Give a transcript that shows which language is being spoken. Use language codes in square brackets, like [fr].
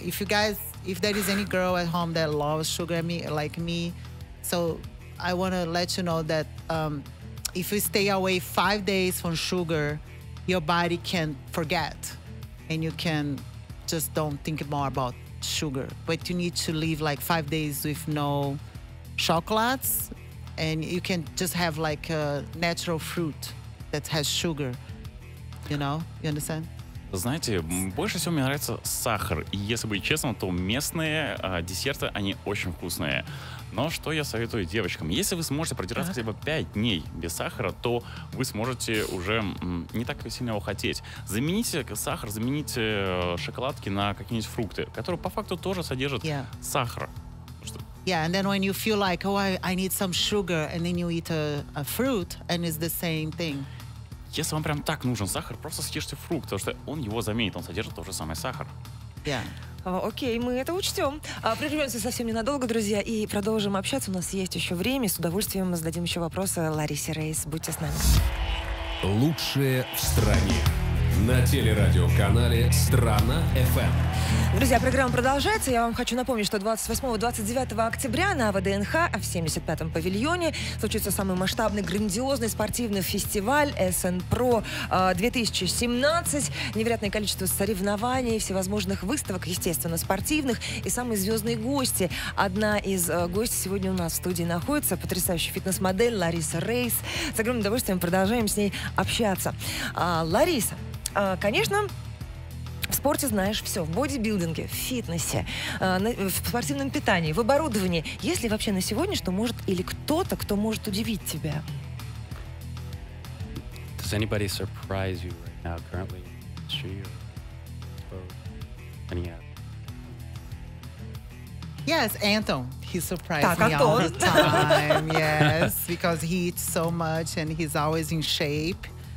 [en] If you guys, if there is any girl at home that loves sugar like me, so I want to let you know that if you stay away 5 days from sugar, your body can forget and you can just don't think more about sugar. But you need to live like 5 days with no chocolates, and you can just have like a natural fruit that has sugar. You know? You understand? [ru] Знаете, больше всего мне нравится сахар. И если быть честным, то местные десерты, они очень вкусные. Но что я советую девочкам? Если вы сможете продержаться хотя бы 5 дней без сахара, то вы сможете уже не так сильно его хотеть. Замените сахар, замените шоколадки на какие-нибудь фрукты, которые по факту тоже содержат сахар. [en] Yeah, and then when you feel like, oh, I need some sugar, and then you eat a fruit, and it's the same thing. [ru] Если вам прям так нужен сахар, просто съешьте фрукт, потому что он его заменит, он содержит тот же самый сахар. Окей, мы это учтем. Прервемся совсем ненадолго, друзья, и продолжим общаться. У нас есть еще время, с удовольствием мы зададим еще вопросы Ларисе Рейс. Будьте с нами. Лучшее в стране. На телерадиоканале «Страна FM». Друзья, программа продолжается. Я вам хочу напомнить, что 28-29 октября на ВДНХ в 75-м павильоне случится самый масштабный, грандиозный спортивный фестиваль «СНПРО 2017». Невероятное количество соревнований, всевозможных выставок, естественно, спортивных, и самые звездные гости. Одна из гостей сегодня у нас в студии находится, потрясающая фитнес-модель Лариса Рейс. С огромным удовольствием продолжаем с ней общаться. Лариса, конечно, в спорте знаешь все, в бодибилдинге, в фитнесе, в спортивном питании, в оборудовании. Есть ли вообще на сегодня что может, или кто-то, кто может удивить тебя? [en] Does anybody surprise you right now, currently, in the industry, or Yes, Anton. He surprised me all the time. Yes, because he eats so much and he's always in shape.